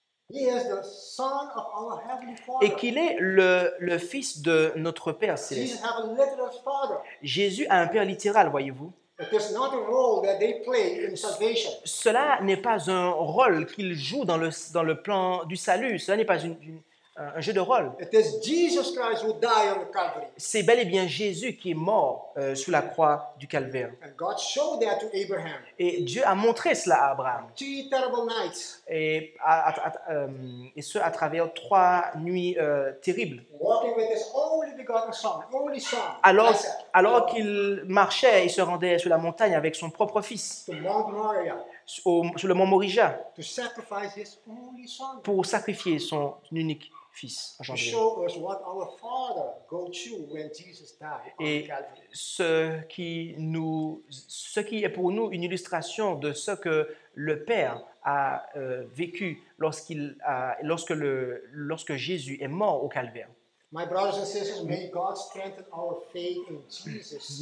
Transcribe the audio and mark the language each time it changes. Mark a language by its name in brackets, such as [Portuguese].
[French] Et qu'il est le Fils de notre Père céleste. Jésus a un Père littéral, voyez-vous. [English] It is not a role that they play in salvation. [French] Cela n'est pas un rôle qu'ils jouent dans le plan du salut. Cela n'est pas un jeu de rôle. [English] It is Jesus Christ who died on the Calvary. [French] C'est bel et bien Jésus qui est mort sous la croix du calvaire. [English] And God showed that to Abraham. [French] Et Dieu a montré cela à Abraham. [English] Three terrible nights. [French] Et ce à travers trois nuits terribles. [English] Walking with his only begotten son, only son. [French] Alors qu'il marchait et se rendait sur la montagne avec son propre fils. [English] To Mount Moriah. [French] Sur le mont Morija, [English] to sacrifice his only son. [French] Pour sacrifier son unique fils. [English] To show us what our father go to when Jesus died on Calvary. [French] Et ce qui est pour nous une illustration de ce que le Père a vécu lorsque Jésus est mort au calvaire. [English] My brothers and sisters, may God strengthen our faith in Jesus.